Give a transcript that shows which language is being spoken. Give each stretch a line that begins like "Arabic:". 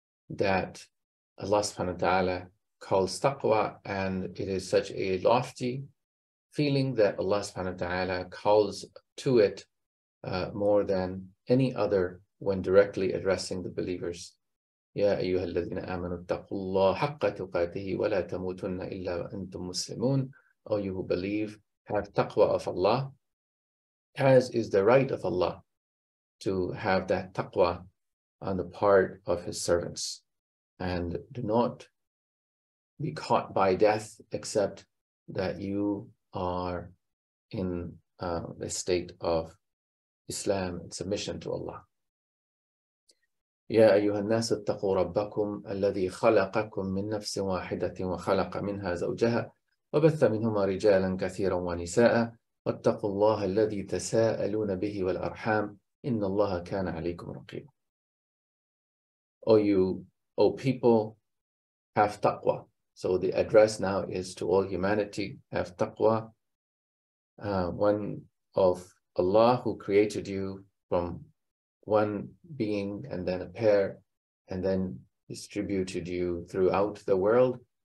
English: that Allah subhanahu wa ta'ala calls taqwa, and it is such a lofty feeling that Allah subhanahu wa ta'ala calls to it more than any other when directly addressing the believers
Arabic: يا أيها الذين آمنوا اتقوا الله حق تقاته ولا تموتن إلا وأنتم مسلمون.
English: All you who believe have taqwa of Allah, as is the right of Allah to have that taqwa on the part of his servants. And do not be caught by death except that you are in a state of Islam and submission to Allah.
Arabic: يا أيها الناس اتقوا ربكم الذي خلقكم من نفس واحدة وخلق منها زوجها وبث منهما رجالا كثيرا ونساء واتقوا الله الذي تساءلون به والأرحام إن الله كان عليكم رقيبا.
English: O people, have taqwa. So the address now is to all humanity, have taqwa. One of Allah who created you from one being and then a pair and then distributed you throughout the world.